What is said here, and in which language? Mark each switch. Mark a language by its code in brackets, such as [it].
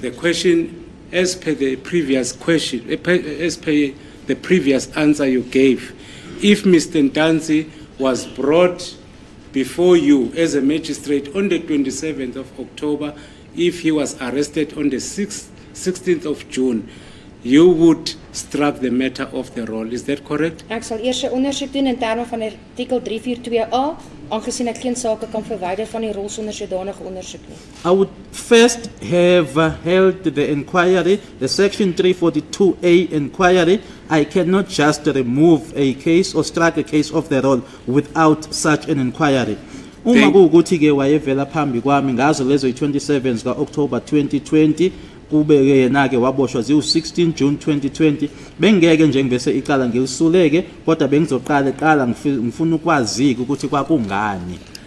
[en] The question, as per the previous question, as per the previous answer you gave, if Mr. Ntanzi was brought before you as a magistrate on the 27th of October, if he was arrested on the 16th of June, you would strike the matter off the roll. Is that correct? [af] Ek sal eers 'n ondersoek doen in terme van artikel 342A, aangesien ek geen sake kan verwyder van die rol sonder sodanige ondersoek nie. [en] I would first have held the inquiry, the section 342A inquiry. I cannot just remove a case or strike a case off the roll without such an inquiry. [zu] Uma kuwukuthi ke wayevela phambi kwami ngazo lezo 27 ka-October 2020, kube ke yena ke waboshwa zi 16 June 2020, bengeke nje ngibese iqala ngisuleke, kodwa bengizoqala ngifuna ukwazi ukuthi kwakungani.